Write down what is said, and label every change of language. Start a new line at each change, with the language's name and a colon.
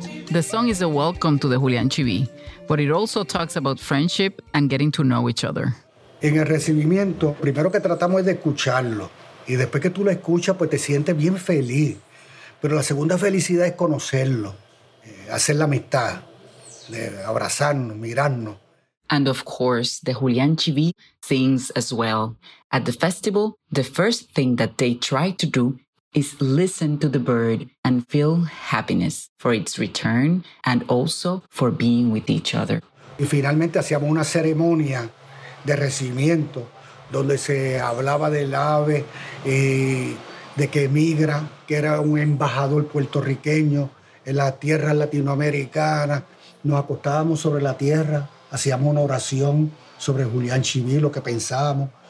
English: The song is a welcome to the Julian Chibi, but it also talks about friendship and getting to know each other.
Spanish: En el recibimiento, primero que tratamos es de escucharlo. Y después que tú lo escuchas, pues te sientes bien feliz. Pero la segunda felicidad es conocerlo, hacer la amistad, de abrazarnos, mirarnos.
English: And of course, the Julian Chibi sings as well. At the festival, the first thing that they try to do is listen to the bird and feel happiness for its return and also for being with each other.
Spanish: Y finalmente hacíamos una ceremonia de recibimiento donde se hablaba del ave y de que migra, que era un embajador puertorriqueño en la tierra latinoamericana. Nos acostábamos sobre la tierra, hacíamos una oración sobre Julian Chibi, lo que pensábamos.